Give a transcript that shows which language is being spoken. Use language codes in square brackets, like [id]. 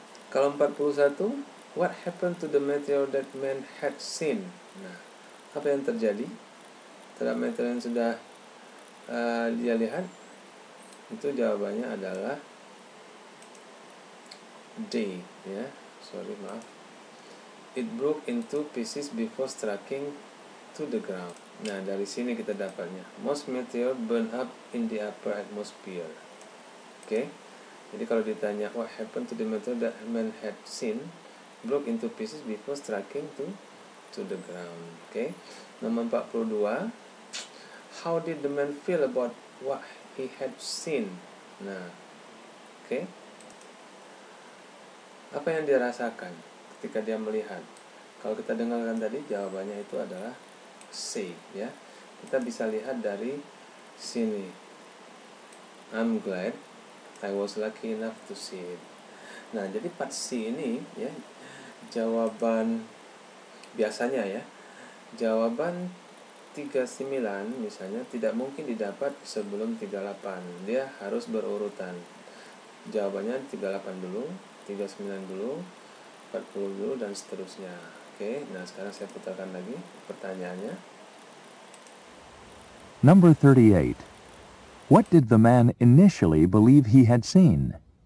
[en] Kalau 41, what happened to the meteor that man had seen? [id] Nah, apa yang terjadi terhadap meteor yang sudah dia lihat? Itu jawabannya adalah day, ya. [en] Sorry, [id] maaf. [en] It broke into pieces before striking to the ground. [id] Nah, dari sini kita dapatnya. [en] Most meteor burn up in the upper atmosphere. Okay. [id] Jadi kalau ditanya, [en] what happened to the meteor that man had seen? Broke into pieces before striking to the ground. Okay. Nomor 42. How did the man feel about what he had seen? [id] Nah, okay. Apa yang dia rasakan ketika dia melihat? Kalau kita dengarkan tadi, jawabannya itu adalah see, ya. Kita bisa lihat dari sini. [en] I'm glad I was lucky enough to see it. [id] Nah, jadi part C ini, ya, jawaban biasanya, ya, jawaban 39 misalnya tidak mungkin didapat sebelum 38. Dia harus berurutan. Jawabannya 38 dulu, 39 dulu, 40 dulu, dan seterusnya. Oke, nah sekarang saya putarkan lagi pertanyaannya. [en] Number 38. What did the man initially believe he had seen?